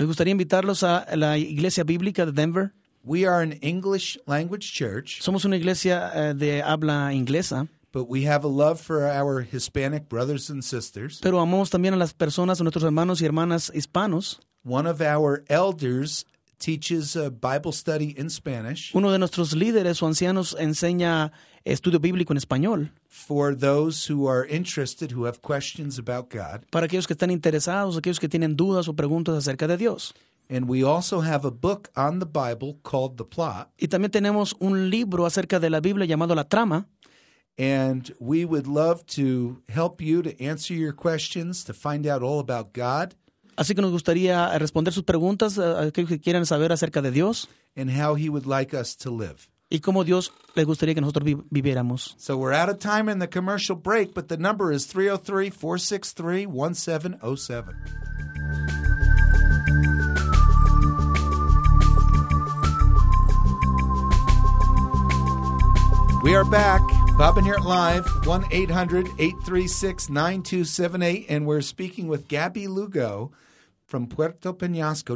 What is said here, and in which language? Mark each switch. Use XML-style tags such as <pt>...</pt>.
<es>Me gustaría invitarlos a la iglesia bíblica de Denver.</es> <en>We are an English language church.</en> <es>Somos una iglesia de habla inglesa.</es> <en>But we have a love for our Hispanic brothers and sisters.</en> <es>Pero amamos también a las personas, a nuestros hermanos y hermanas hispanos.</es> <en>One of our elders teaches a Bible study in Spanish.</en> <es>Uno de nuestros líderes o ancianos enseña estudio bíblico en español.</es> <en>For those who are interested, who have questions about God.</en> <es>Para aquellos que están interesados, aquellos que tienen dudas o preguntas acerca de Dios.</es> <en>And we also have a book on the Bible called The Plot.</en> <es>Y también tenemos un libro acerca de la Biblia llamado La Trama.</es> <en>And we would love to help you to answer your questions, to find out all about God.</en> <es>Así que nos gustaría responder sus preguntas, aquellos que quieran saber acerca de Dios.</es> <en>And how he would like us to live.</en> <es>Y cómo Dios le gustaría que nosotros viviéramos.</es> <en>So we're out of time in the commercial break, but the number is 303-463-1707. We are back. Bob Enyard Live, 1-800-836-9278, and we're speaking with Gabby Lugo from Puerto Peñasco.</en>